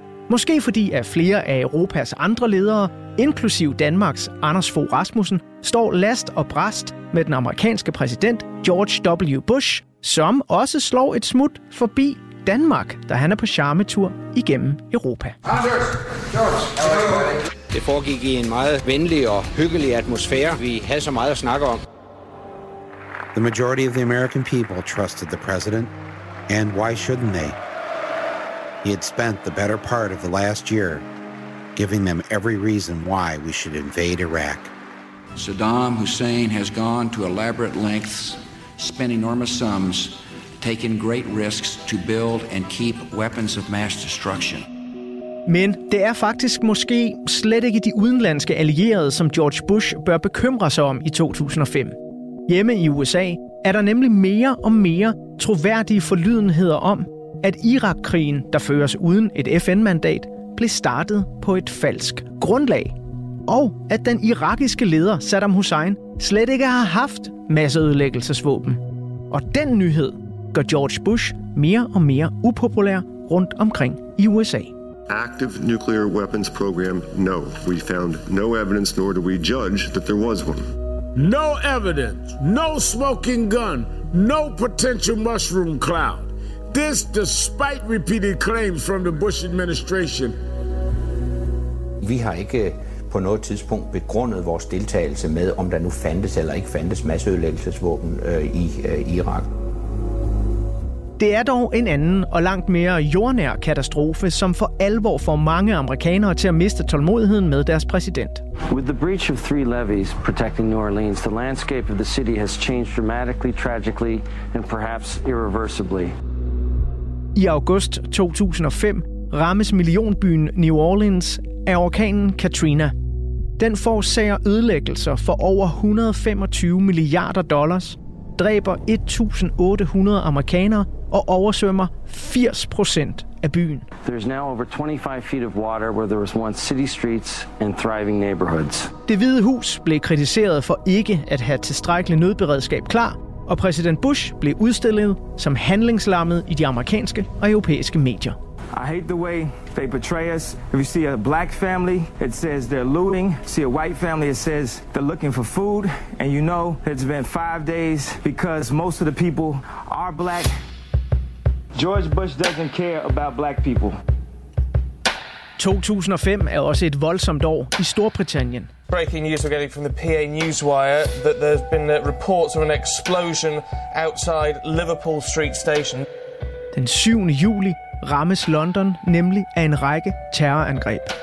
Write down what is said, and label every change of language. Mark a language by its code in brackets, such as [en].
[da] Måske fordi at flere af Europas andre ledere, inklusiv Danmarks Anders Fogh Rasmussen, står last og brast med den amerikanske præsident George W. Bush, som også slår et smut forbi Danmark, da han er på charmetur igennem Europa. Det foregik i en meget venlig og hyggelig atmosfære. Vi havde så meget at snakke om. [en] The majority of the American people trusted the president, and why shouldn't they? He had spent the better part of the last year giving them every reason why we should invade Iraq. Saddam Hussein has gone to elaborate lengths, spent enormous sums, taken great risks to build and keep weapons of mass destruction. [da] Men det er faktisk måske slet ikke de udenlandske allierede, som George Bush bør bekymre sig om i 2005. Hjemme i USA er der nemlig mere og mere troværdige forlydenheder om, at Irak-krigen, der føres uden et FN-mandat, blev startet på et falsk grundlag. Og at den irakiske leder Saddam Hussein slet ikke har haft masseødelæggelsesvåben. Og den nyhed gør George Bush mere og mere upopulær rundt omkring i USA. [en] Active nuclear weapons program, no. We found no evidence, nor do we judge that there was one. No evidence, no smoking gun, no potential mushroom cloud. This despite repeated claims from the Bush administration. [da] Vi har ikke på noget tidspunkt begrundet vores deltagelse med, om der nu fandtes eller ikke fandtes masseødelæggelsesvåben i Irak. Det er dog en anden og langt mere jordnær katastrofe, som for alvor får mange amerikanere til at miste tålmodigheden med deres præsident. [en] With the breach of three levees protecting New Orleans, the landscape of the city has changed dramatically, tragically and perhaps irreversibly. [da] I august 2005 rammes millionbyen New Orleans af orkanen Katrina. Den forårsager ødelæggelser for over 125 milliarder dollars, dræber 1.800 amerikanere og oversvømmer 80% af byen. [en] There's now over 25 feet of water where there was once city streets and thriving neighborhoods. [da] Det Hvide Hus blev kritiseret for ikke at have tilstrækkelig nødberedskab klar, og præsident Bush blev udstillet som handlingslammet i de amerikanske og europæiske medier. [en] I hate the way they betray us. If you see a black family, it says they're looting. See a white family, it says they're looking for food. And you know it's been 5 days because most of the people are black. George Bush doesn't care about black people. [da] 2005 er også et voldsomt år i Storbritannien. [en] Breaking news we're getting from the PA Newswire that there's been reports of an explosion outside Liverpool Street Station. [da] Den 7. juli rammes London nemlig af en række terrorangreb.